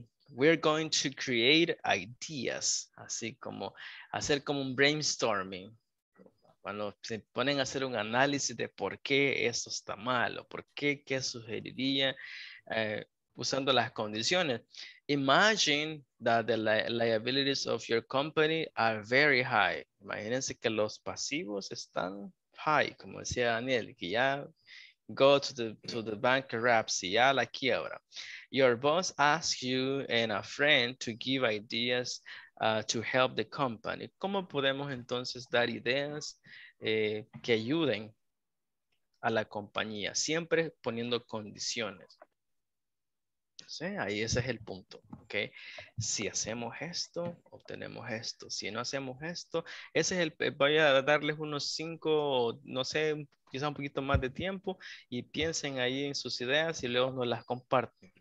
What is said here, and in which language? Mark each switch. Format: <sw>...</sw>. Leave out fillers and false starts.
<en>We're going to create ideas,</en> <es>así como hacer como un brainstorming. cuando se ponen a hacer un análisis de por qué esto está malo, por qué, qué sugeriría usando las condiciones.</es> <en>Imagine that the liabilities of your company are very high.</en> <es>Imagínense que los pasivos están high, como decía Daniel, que ya</es> <en>go to the bankruptcy,</en> <es>ya la quiebra.</es> <en>Your boss asks you and a friend to give ideas to help the company.</en> <es>¿Cómo podemos entonces dar ideas que ayuden a la compañía? Siempre poniendo condiciones. Sí, ahí ese es el punto, ¿ok? Si hacemos esto, obtenemos esto. Si no hacemos esto, ese es el, voy a darles unos 5, no sé, quizás un poquito más de tiempo y piensen ahí en sus ideas y luego nos las comparten.</es>